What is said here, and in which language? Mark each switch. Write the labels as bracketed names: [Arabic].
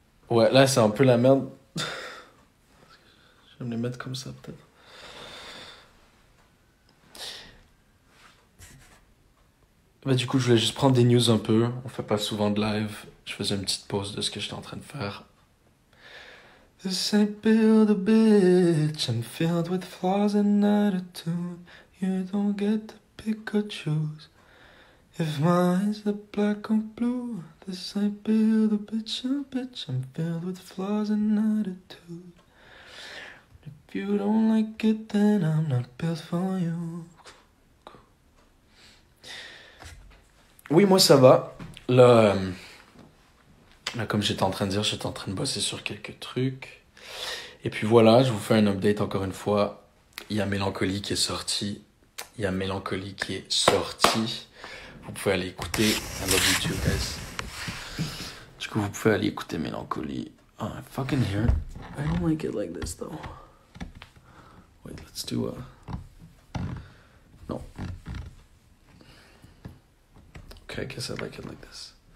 [French] Ouais, là c'est un peu la merde. Je vais me les mettre comme ça peut-être. Bah du coup, je voulais juste prendre des news un peu. On fait pas souvent de live. Je faisais une petite pause de ce que j'étais en train de faire. [English] This ain't build a bitch. I'm filled with flaws and attitude. You don't get to pick or choose. If my eyes are black or blue, this ain't build a bitch. I'm filled with flaws and attitude. If you don't like it, then I'm not built for you. [French] Oui, moi ça va. Là, comme j'étais en train de dire, j'étais en train de bosser sur quelques trucs. Et puis voilà, je vous fais un update encore une fois. Il y a Mélancolie qui est sortie. Il y a Mélancolie qui est sortie. Vous pouvez aller écouter. [English] I love you too, guys. [French] Du coup, vous pouvez aller écouter Mélancolie. [English] Oh, I fucking hear. I don't like it like this, though. Wait, let's do a... Non. Okay, I guess I like it like this.